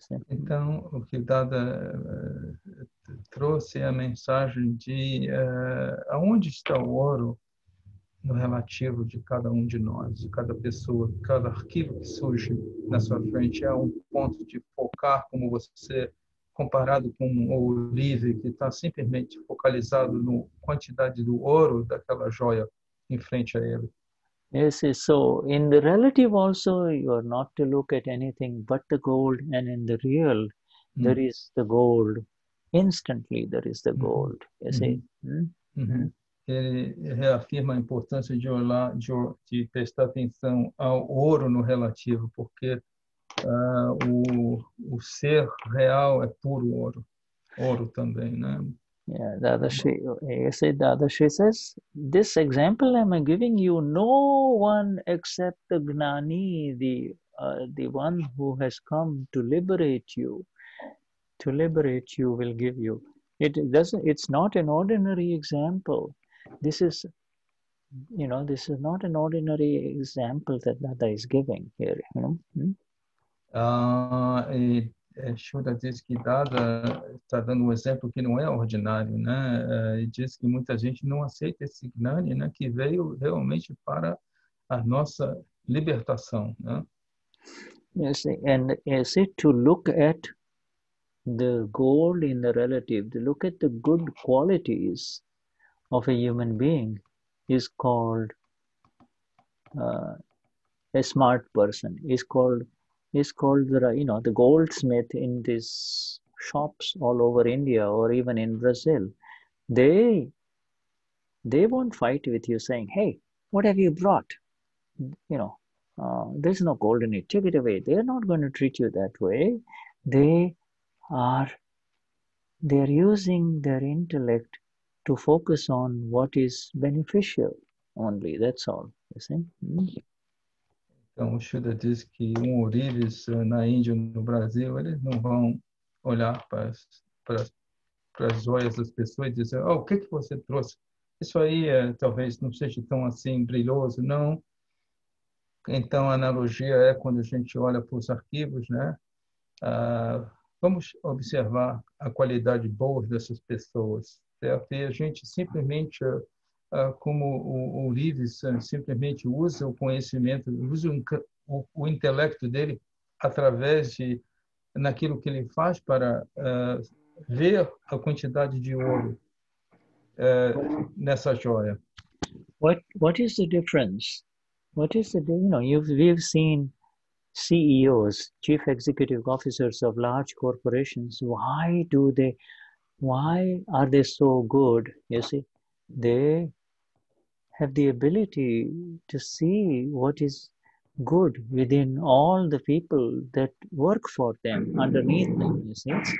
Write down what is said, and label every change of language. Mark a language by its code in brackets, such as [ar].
[pt] Então, o que Dada trouxe a mensagem de aonde está o ouro no relativo de cada um de nós, de cada pessoa, de cada arquivo que surge na sua frente, é um ponto de focar como você, comparado com o livre, que está simplesmente focalizado na quantidade do ouro daquela joia em frente a ele. [en] Yes, so in the relative also, you are not to look at anything but the gold, and in the real, there is the gold. Instantly, there is the gold. You see? [pt] Ele reafirma a importância de olhar, de prestar atenção ao ouro no relativo, porque o ser real é puro ouro. Ouro também, né? [en] Yeah, Dadashri says, this example I'm giving you, no one except the Gnani, the one who has come to liberate you will give you. It's not an ordinary example. This is not an ordinary example that Dada is giving here, you know? [pt] Shuddha diz que Dada está dando um exemplo que não é ordinário, né? E diz que muita gente não aceita esse Gnani, né? Que veio realmente para a nossa libertação, né? [en] Yes, and is it to look at the gold in the relative, to look at the good qualities of a human being is called a smart person, is called the, you know, the goldsmith in these shops all over India or even in Brazil. They won't fight with you saying, hey, what have you brought? You know, there's no gold in it. Take it away. They're not going to treat you that way. They're using their intellect to focus on what is beneficial only. That's all, you see? [pt] Então, o Shuddha diz que um ourives na Índia, no Brasil, eles não vão olhar para as joias das pessoas e dizer, oh, o que, que você trouxe? Isso aí é, talvez não seja tão assim brilhoso, não. Então, a analogia é quando a gente olha para os arquivos, né? Vamos observar a qualidade boa dessas pessoas. Certo? E a gente simplesmente... como o Livis simplesmente usa o conhecimento, usa o intelecto dele através de naquilo que ele faz para ver a quantidade de ouro nessa joia. [en] What is the difference? What is the, you know, we've seen CEOs, chief executive officers of large corporations. Why are they so good? You see, they have the ability to see what is good within all the people that work for them, underneath them, you see.